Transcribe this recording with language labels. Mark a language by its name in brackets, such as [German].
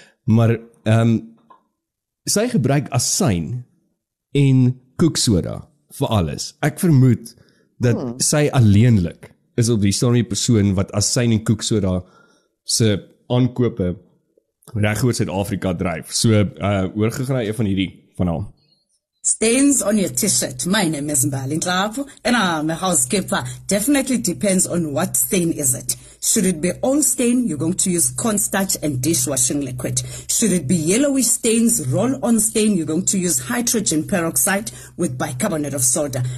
[Afrikaans] Maar sy gebruik asyn en koeksoda vir alles. Ek vermoed dat sy alleenlik is op die stormie persoon wat asyn en koeksoda se aankope reg oor Suid-Afrika dryf. So, oorgegaan na een van hierdie van haar. [English] Stains on your t-shirt. My name is Mbali Klapu and I'm a housekeeper. Definitely depends on what stain is it. Should it be old stain, you're going to use cornstarch and dishwashing liquid. Should it be yellowish stains, roll-on stain, you're going to use hydrogen peroxide with bicarbonate of soda.